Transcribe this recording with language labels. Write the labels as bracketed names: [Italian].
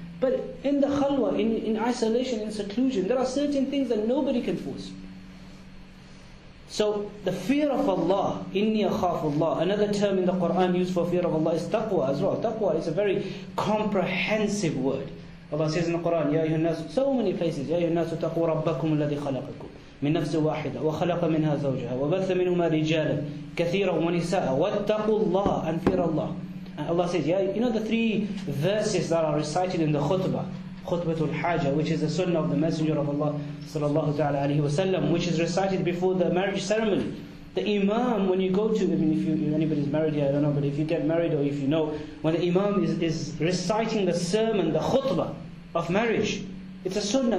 [English] But in the khalwa, in isolation, in seclusion, there are certain things that nobody can force. So the fear of Allah, [Arabic] إِنِّي أَخَافُ اللَّهِ, [English] another term in the Qur'an used for fear of Allah is taqwa as well. Taqwa is a very comprehensive word. Allah says in the Qur'an, [Arabic] يَا أَيُّهَا النَّاسُ, [English] so many places, [Arabic] يَا أَيُّهَا النَّاسُ تَقُوا رَبَّكُمُ الَّذِي خَلَقَكُمْ مِنْ نَفْسِ وَاحِدَ وَخَلَقَ مِنْهَا زَوْجَهَا وَبَثَّ مِنْهُمَا رِجَالًا كَثِيرًا وَنِسَاءً وَاتَّقُوا اللَّهَ [English] and fear Allah. And Allah says, yeah, you know the three verses that are recited in the khutbah, khutbatul hajah, which is the sunnah of the Messenger of Allah sallallahu ta'ala alayhi wa sallam, which is recited before the marriage ceremony. The imam, when you go to, I mean, if anybody's married here, I don't know, but if you get married or if you know, when the imam is reciting the sermon, the khutbah of marriage, it's a sunnah.